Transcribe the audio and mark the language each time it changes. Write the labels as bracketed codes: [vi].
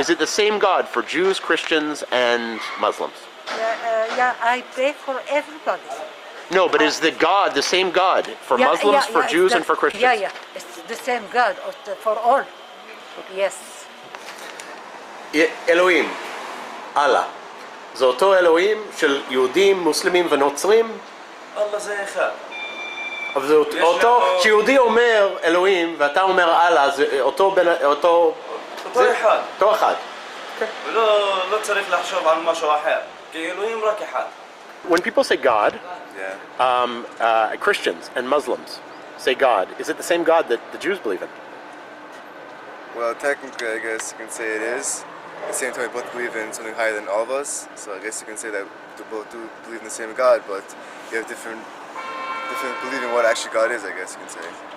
[en] Is it the same God for Jews, Christians, and Muslims? Yeah, I pray for everybody. No, but is the God, the same God, for yeah, Muslims, yeah, for yeah, Jews, the, and for Christians? Yeah, yeah, it's the same God for all. Yes. Elohim, Allah. [he] זה אותו אלוהים של יהודים, מוסלמים ונוצרים? אללה זה אחד. אבל זה אותו, כשיהודי אומר אלוהים ואתה אומר אללה, זה אותו בן... אותו... אותו אחד. אותו אחד. ולא צריך לחשוב על משהו אחר, כי אלוהים רק אחד. [en] When people say God, yeah. Christians and Muslims say God, is it the same God that the Jews believe in? Well, technically, I guess you can say it is. At the same time, we both believe in something higher than all of us, so I guess you can say that we both do believe in the same God, but you have different belief in what actually God is, I guess you can say.